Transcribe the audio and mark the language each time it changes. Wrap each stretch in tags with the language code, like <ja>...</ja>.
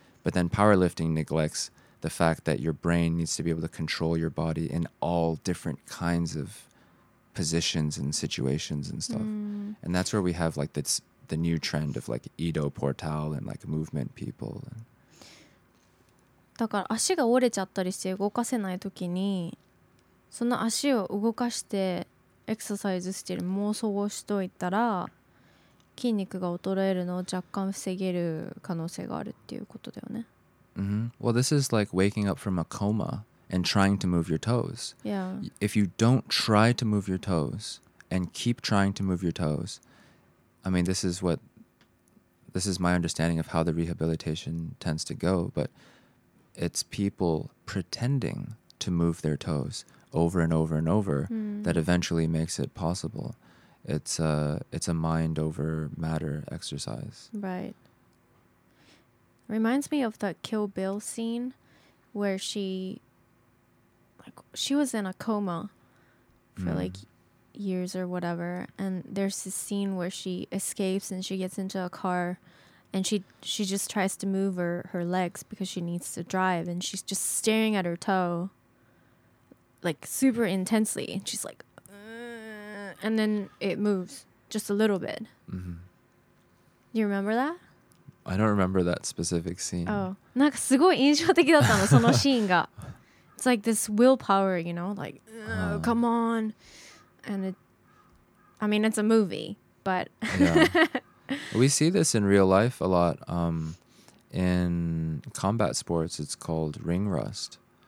<en>But then powerlifting neglects. The fact that your brain needs to be able to control your body in all different kinds of positions and situations and stuff. And that's where we have like this, the new trend of like Edo Portal and like movement people.</en> <ja>だから足が折れちゃったりして動かせないときに、その足を動かしてエクササイズしてる妄想をしといたら、筋肉が衰えるのを若干防げる可能性があるっていうことだよね。 Mm-hmm.</ja> <en>Well, this is like waking up from a coma and trying to move your toes. Yeah. If you don't try to move your toes and keep trying to move your toes, I mean, this is my understanding of how the rehabilitation tends to go, but it's people pretending to move their toes over and over and over that eventually makes it possible. It's a mind over matter exercise. Right. Reminds me of that Kill Bill scene where she was in a coma for like years or whatever, and there's this scene where she escapes and she gets into a car, and she just tries to move her legs because she needs to drive, and she's just staring at her toe like super intensely, and she's like, and then it moves just a little bit. Mm-hmm. You remember that? I don't remember that specific scene.</en> <ja>Oh, なんかすごい印象的だったのそのシーンが.</ja> <en>It's like this willpower, you know, like, come on. And it, I mean, it's a movie, but. Yeah. We see this in real life a lot. In combat sports, it's called ring rust.</en>